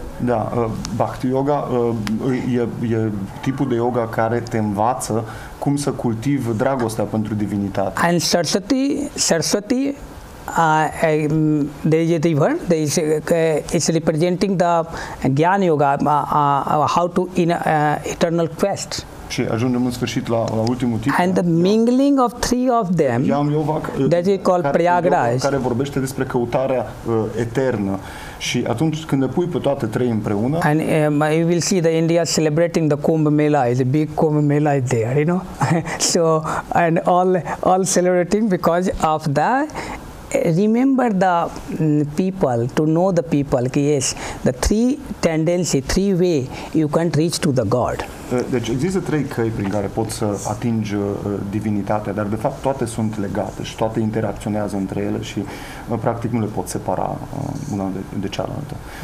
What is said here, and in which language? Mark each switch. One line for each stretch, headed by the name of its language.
Romanian: Da, bhakti yoga e tipul de yoga care te învață cum să cultivi dragostea pentru divinitate.
English: And Saraswati is representing the Gyan Yoga, how to in eternal quest.
Romanian: Și ajungem în sfârșit la ultimul tip.
English: And the mingling of three of them, Gyan Yoga, that is called Prayagraj.
Romanian: Care vorbește despre căutarea eternă. Și atunci când le pui pe toate trei împreună.
English: And you will see the India celebrating the Kumbh Mela, the big Kumbh Mela is there, you know. So and all celebrating because of that. Remember the people, to know the people,
Romanian: că
English: yes, the three tendency, three way you can reach to the God.
Romanian: Deci există trei căi prin care poți să atingi divinitatea, dar de fapt toate sunt legate și toate interacționează între ele și practic nu le poți separa una de cealaltă.